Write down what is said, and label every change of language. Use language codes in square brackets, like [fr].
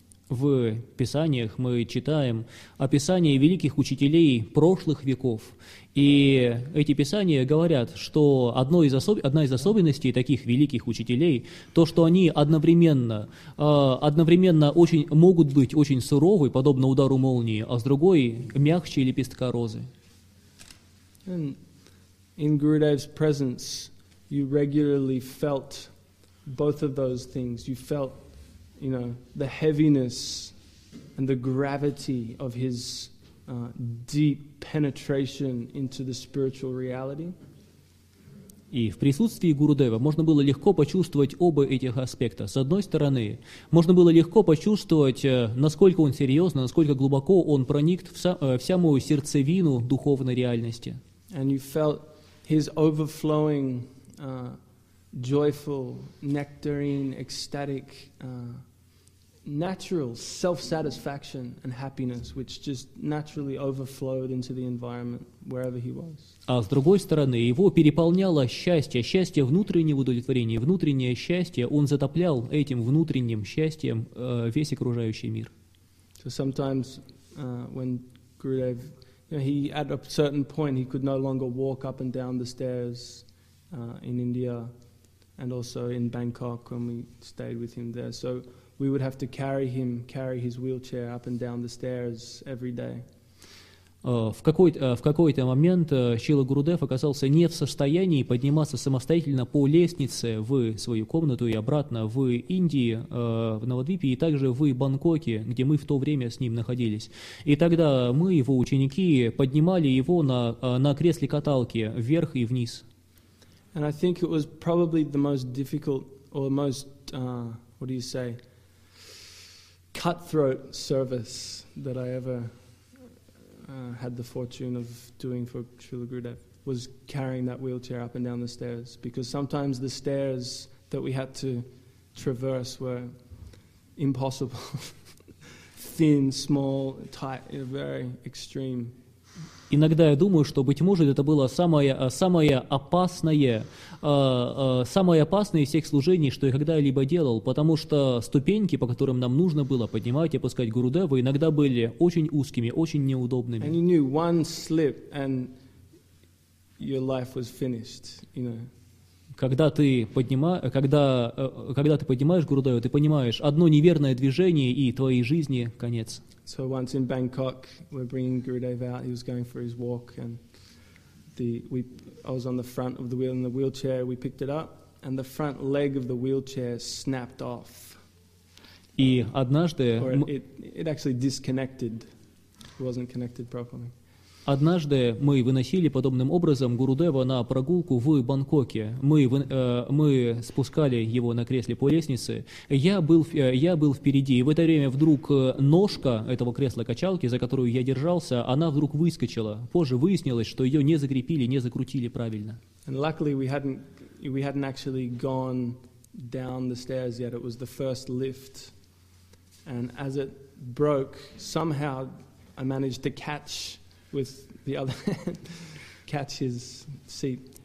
[ru] В писаниях мы читаем описания великих учителей прошлых веков. И эти писания говорят, что одна из особенностей таких великих учителей то, что они одновременно очень могут быть очень суровы, подобно удару молнии, а с другой мягче лепестка розы. [en] And, In Gurudev's presence, you regularly felt both of those things. You felt, you know, the heaviness and the gravity of his deep penetration into the spiritual reality. [ru] И в присутствии Гурудева можно было легко почувствовать оба этих аспекта. С одной стороны, можно было легко почувствовать, насколько он серьезно, насколько глубоко он проник в самую сердцевину духовной реальности. [en] And you felt his overflowing, joyful, nectarine, ecstatic, natural self-satisfaction and happiness, which just naturally overflowed into the environment wherever he was. [ru] А с другой стороны, его переполняло счастье, счастье внутреннего удовлетворения, внутреннее счастье, он затоплял этим внутренним счастьем весь окружающий мир. [en] So sometimes when Gurudev, you know, he at a certain point he could no longer walk up and down the stairs in India and also in Bangkok when we stayed with him there. So we would have to carry him, carry his wheelchair up and down the stairs every day. [ru] В какой-то момент Шрила Гурудев оказался не в состоянии подниматься самостоятельно по лестнице в свою комнату и обратно в Индии, в Навадвипе, и также в Бангкоке, где мы в то время с ним находились. И тогда мы, его ученики, поднимали его на кресле-каталке вверх и вниз. [en] And I think it was probably the most difficult or most, what do you say, cutthroat service that I ever had the fortune of doing for Srila Gurudev was carrying that wheelchair up and down the stairs, because sometimes the stairs that we had to traverse were impossible, thin, small, tight, very extreme. [ru] Иногда я думаю, что, быть может, это было самое опасное из всех служений, что я когда-либо делал, потому что ступеньки, по которым нам нужно было поднимать и опускать Гурудева, иногда были очень узкими, очень неудобными. [en] And you knew one slip and your life was finished, you know. [ru] Когда ты поднимаешь Гурудева, ты понимаешь, одно неверное движение, и твоей жизни конец. [en] So once in Bangkok, we're bringing Gurudev out, he was going for his walk, and I was on the front of the wheel in the wheelchair, we picked it up, and the front leg of the wheelchair snapped off. [ru] И однажды... [en] Or it actually disconnected, it wasn't connected properly. [ru] Однажды мы выносили подобным образом Гурудева на прогулку в Бангкоке. Мы спускали его на кресле по лестнице. Я был впереди, и в это время вдруг ножка этого кресла-качалки, за которую я держался, она вдруг выскочила. Позже выяснилось, что ее не закрепили, не закрутили правильно. [en] And luckily we hadn't actually gone down the stairs yet. It was the first lift. And as it broke, somehow I managed to catch with the other catch his seat.